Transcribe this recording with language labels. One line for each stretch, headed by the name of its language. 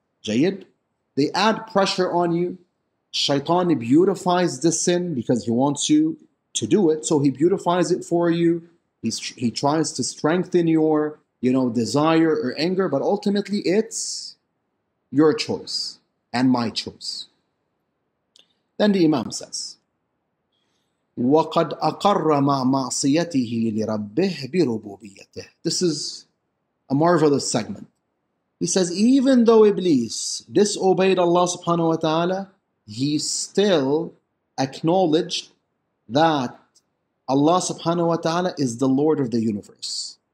English: Jayid, they add pressure on you. Shaitan beautifies the sin because he wants you to do it. So he beautifies it for you. He tries to strengthen your, you know, desire or anger. But ultimately, it's your choice and my choice.
Arabic: Then the Imam says, وَقَدْ أَقَرَّ مَعْ مَعْصِيَتِهِ لِرَبِّهِ بِرُبُوبِيَتِهِ.
English: This is a marvelous segment. He says, even though Iblis disobeyed Allah subhanahu wa ta'ala, he still acknowledged that Allah subhanahu wa ta'ala is the Lord of the universe.